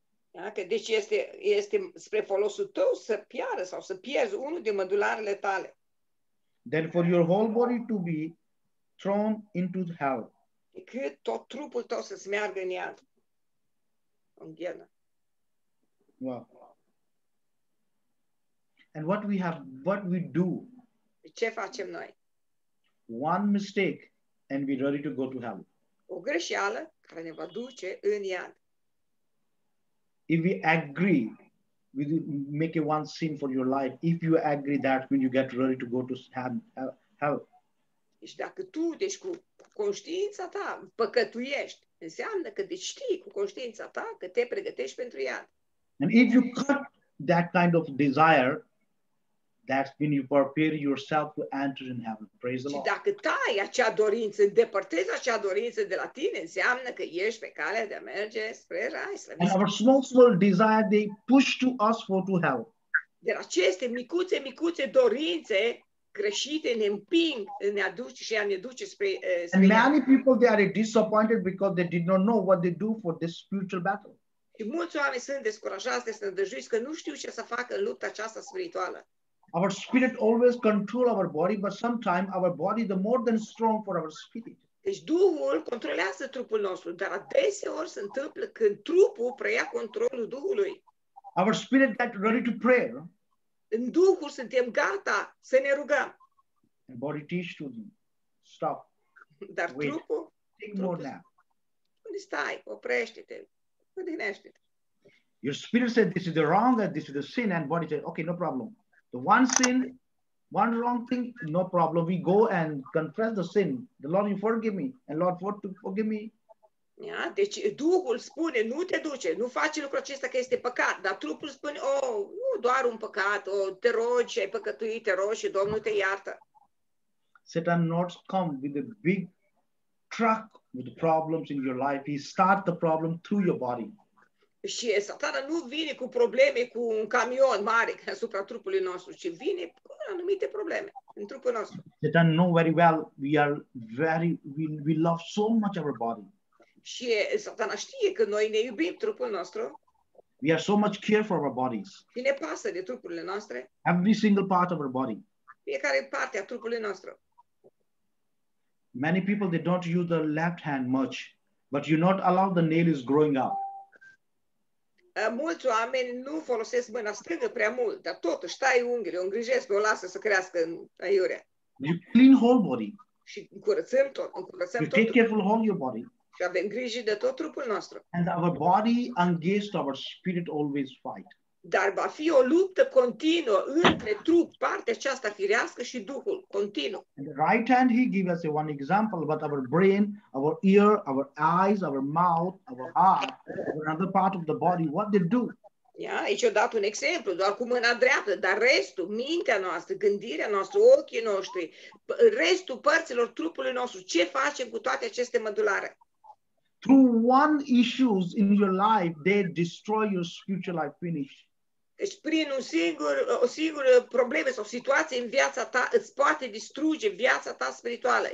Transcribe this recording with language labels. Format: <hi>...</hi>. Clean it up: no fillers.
<ro>Dacă, deci este spre folosul tău să piară sau să pierzi unul din mădularele tale.</ro> <en>Then for your whole body to be thrown into the hell.</en> <ro>Cât tot trupul tău să-ți meargă în iad. În ghenă. Wow.</ro> <en>And what we have, what we do.</en> <ro>Ce facem noi?</ro> <en>One mistake and we're ready to go to hell.</en> <ro>O greșeală care ne va duce în iad.</ro> <en>If we agree, we make a one sin for your life. If you agree, that means you get ready to go to hell.</en> <ro>Deci dacă tu, deci cu conștiința ta, păcătuiești, înseamnă că deci știi cu conștiința ta că te pregătești pentru iad.</ro> <en>And if you cut that kind of desire, that's when you prepare yourself to enter in heaven. Praise the Lord.</en> <ro>Și dacă tai acea dorință, îndepărtezi acea dorință de la tine, înseamnă că ești pe calea de a merge spre rai.</ro> <en>And our small desire, they push to us for to hell.</en> <ro>Dar aceste micuțe dorințe greșite ne împing, ne aduce și ne duce spre</ro> <en>and many people they are disappointed because they did not know what they do for this spiritual battle.</en> <ro>Și mulți oameni sunt descurajați, desnădăjuiți că nu știu ce să facă în lupta aceasta spirituală.</ro> <en>Our spirit always control our body, but sometimes our body the more than strong for our spirit.</en> <ro>Deci Duhul controlează trupul nostru, dar adeseori se întâmplă când trupul preia controlul Duhului.</ro> <en>Our spirit that ready to pray.</en> <ro>În Duhul suntem gata să ne rugăm.</ro> <en>And body teach to them. Stop.</en> <ro>Dar</ro> <en>wait.</en> <ro>Trupul,</ro> <en>take more nap.</en> <ro>Unde stai? Oprește-te. Odihnește-te.</ro> <en>Your spirit said this is the wrong, that this is the sin, and body said, okay, no problem. The one sin, one wrong thing, no problem. We go and confess the sin. The Lord, you forgive me. And Lord, forgive me.</en> <ro>Yeah, deci Duhul spune, nu te duce, nu faci lucrul acesta că este păcat. Dar trupul spune, oh, nu, doar un păcat. Oh, te rogi, ai păcătuit, te rogi și Domnul te iartă.</ro> <en>Satan not come with a big truck with problems in your life. He start the problem through your body.</en> <ro>Și Satana nu vine cu probleme cu un camion mare asupra trupului nostru, ci vine cu anumite probleme în trupul nostru.</ro> <en>Satan know very well we are very we love so much our body.</en> <ro>Și Satana știe că noi ne iubim trupul nostru.</ro> <en>We are so much care for our bodies.</en> <ro>Și ne pasă de trupurile noastre.</ro> <en>Every single part of our body.</en> <ro>Fiecare parte a trupului nostru.</ro> <en>Many people they don't use the left hand much, but you not allow the nail is growing up.</en> <ro>Mulți oameni nu folosesc mâna stângă prea mult, dar totuși tai unghiile, o îngrijesc, o lasă să crească în aiurea.</ro> <en>You clean whole body.</en> <ro>Și curățăm tot, încurățăm</ro> <en>you</en> <ro>tot.</ro> <en>You take careful of your body.</en> <ro>Și avem grijă de tot trupul nostru.</ro> <en>And our body against our spirit always fight.</en> <ro>Dar va fi o luptă continuă între trup, partea aceasta firească și Duhul, continuu.</ro> <en>And the right hand he gives us one example, but our brain, our ear, our eyes, our mouth, our heart, or another part of the body, what they do?</en> <ro>Yeah, aici a dat un exemplu, doar cu mâna dreaptă, dar restul, mintea noastră, gândirea noastră, ochii noștri, restul părților trupului nostru, ce facem cu toate aceste mădulare?</ro> <en>Through one issues in your life, they destroy your spiritual life. Finish.</en> <ro>Deci prin o singură problemă sau situație în viața ta, îți poate distruge viața ta spirituală.</ro>